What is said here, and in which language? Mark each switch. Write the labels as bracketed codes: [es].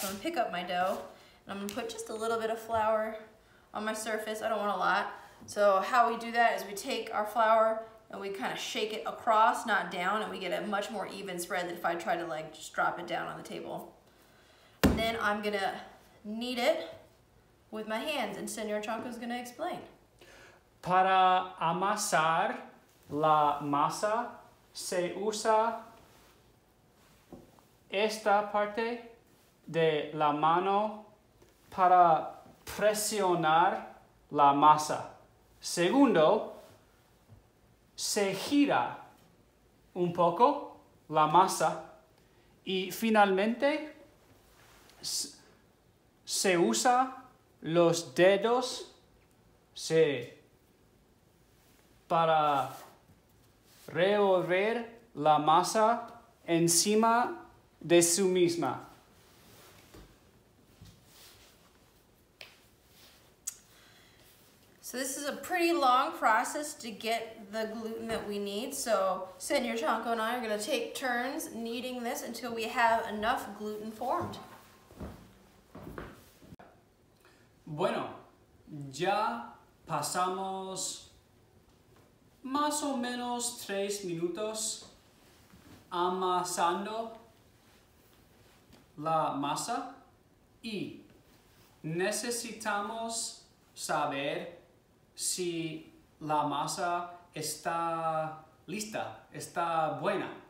[en] So I'm going to pick up my dough, and I'm going to put just a little bit of flour on my surface. I don't want a lot. So how we do that is we take our flour and we kind of shake it across, not down, and we get a much more even spread than if I try to like just drop it down on the table. And then I'm gonna knead it with my hands, and Senor Chanco is gonna explain. [es] Para amasar la masa, se usa esta parte de la mano para presionar la masa. Segundo, se gira un poco la masa y finalmente se usa los dedos para revolver la masa encima de sí misma. [en] So this is a pretty long process to get the gluten that we need. So Senor Chanco and I are going to take turns kneading this until we have enough gluten formed. [es] Bueno, ya pasamos más o menos 3 minutos amasando la masa y necesitamos saber si la masa está lista, está buena.